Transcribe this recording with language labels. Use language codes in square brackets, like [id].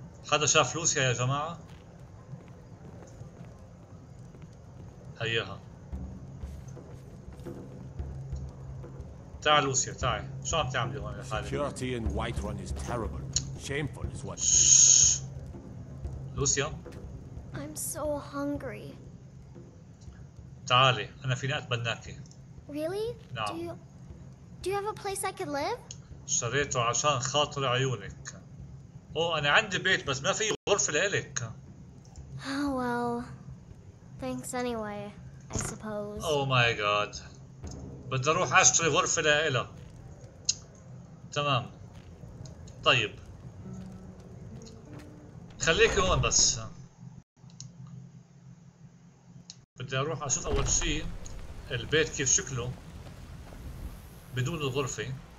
[ar] حدا شاف لوسيا يا جماعة؟ هياها. تعال لوسيا تعال شو عم تعملي هون لحالك؟ [en] Security in Whiterun is terrible. Shameful is what. [ar] لوسيا. [en] I'm so hungry. [ar] تعالي أنا فيني أتبناكي. [en] Really? [ar] نعم. [en] Do you have a place I could live? [ar] شريته عشان خاطر عيونك. أوه أنا عندي بيت بس ما في غرفة لإلك. [en] Oh well. Thanks anyway, I suppose. Oh my god. [ar] بدي اروح اشتري غرفة لإلها. تمام. طيب. خليك هون بس. بدي اروح اشوف اول شيء البيت كيف شكله. بدون الغرفة.